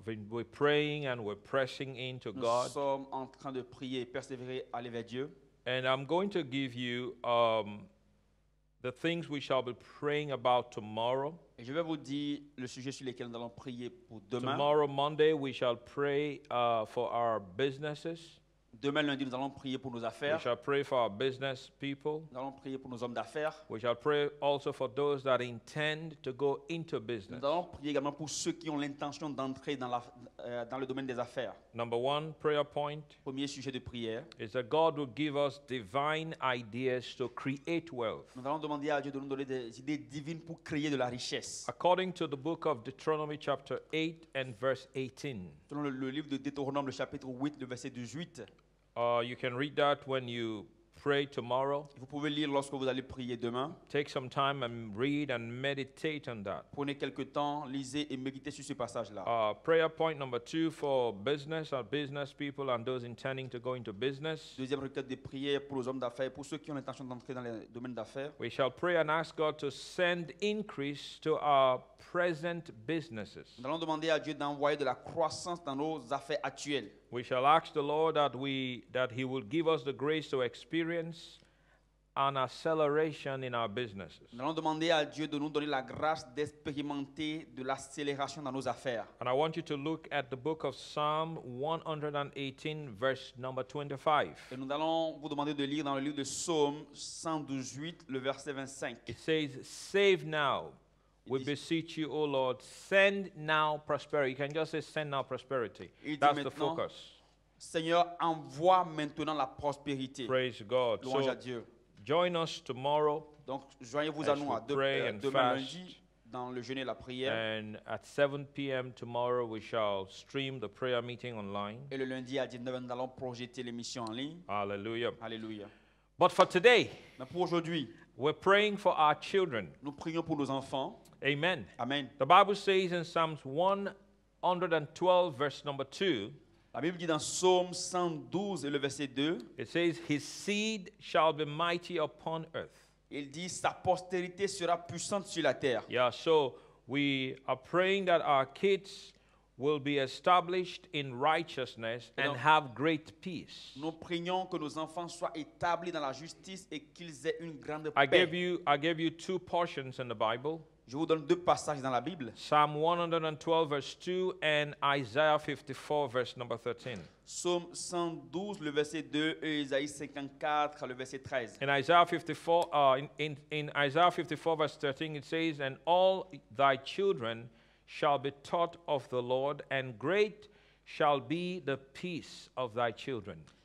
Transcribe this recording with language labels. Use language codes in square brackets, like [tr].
[en] we're praying and we're pressing into [fr] nous [en] God. [fr] Nous sommes en train de prier, persévérer, aller vers Dieu. [en] And I'm going to give you the things we shall be praying about tomorrow. [fr] Et je vais vous dire le sujet sur lequel nous allons prier pour demain. [en] Tomorrow, Monday, we shall pray for our businesses. [fr] Demain lundi, nous allons prier pour nos affaires. [en] We shall pray for our business people. [fr] Nous allons prier pour nos hommes d'affaires. [en] We shall pray also for those that intend to go into business. [fr] Nous allons prier également pour ceux qui ont l'intention d'entrer dans le domaine des affaires. [en] Number one prayer point. [fr] Premier sujet de prière. [en] Is that God will give us divine ideas to create wealth. [fr] Nous allons demander à Dieu de nous donner des idées divines pour créer de la richesse. [en] According to the book of Deuteronomy chapter 8 and verse 18. [fr] Selon le livre de Deutéronome, le chapitre 8, le verset 18. [en] You can read that when you pray tomorrow. [fr] Vous pouvez lire lorsque vous allez prier demain. [en] Take some time and read and meditate on that. [fr] Prenez quelques temps, lisez et méditez sur ce passage-là. [en] Prayer point number two for business or business people and those intending to go into business. [fr] Deuxième requête de prière pour les hommes d'affaires, pour ceux qui ont l'intention d'entrer dans le domaine d'affaires. [en] We shall pray and ask God to send increase to our present businesses. [fr] Nous allons demander à Dieu d'envoyer de la croissance dans nos affaires actuelles. [en] We shall ask the Lord that he will give us the grace to experience an acceleration in our businesses. [fr] Nous allons demander à Dieu de nous donner la grâce d'expérimenter de l'accélération dans nos affaires. [en] And I want you to look at the book of Psalm 118, verse number 25. [fr] Et nous allons vous demander de lire dans le livre de Psaume 118, le verset 25. [en] It says, "Save now, we beseech you, O Lord, send now prosperity." You can just say, "Send now prosperity." That's the focus. [fr] Seigneur, envoie maintenant la prospérité. [en] Praise God. [fr] Louange à Dieu. [en] Join us tomorrow. [fr] Donc, joignez-vous à nous à demain lundi dans le jeûne et la prière. [en] And at 7 p.m. tomorrow, we shall stream the prayer meeting online. [fr] Et le lundi à 19h, nous allons projeter l'émission en ligne. Alléluia. Alléluia. [en] But for today, [fr] mais pour aujourd'hui, [en] we're praying for our children. [fr] Nous prions pour nos enfants. [en] Amen. [fr] Amen. [en] The Bible says in Psalms 112, verse number 2, [fr] la Bible dit dans Psaume 112 et le verset 2, [en] it says, "His seed shall be mighty upon earth." [fr] Il dit, sa postérité sera puissante sur la terre. [en] Yeah, so we are praying that our kids will be established in righteousness and have great peace. [fr] Nous prions que nos enfants soient établis dans la justice et qu'ils aient une grande paix. [en] I gave you two portions in the Bible. [fr] Je vous donne deux passages dans la Bible. [en] Psalm 112, verse 2, and Isaiah 54, verse number 13. [fr] Psaume 112, le verset 2, et Isaïe 54, le verset 13. [en] In Isaiah 54, Isaiah 54, verse 13, it says, "And all thy children shall be taught of the Lord, and great shall be the peace of thy children."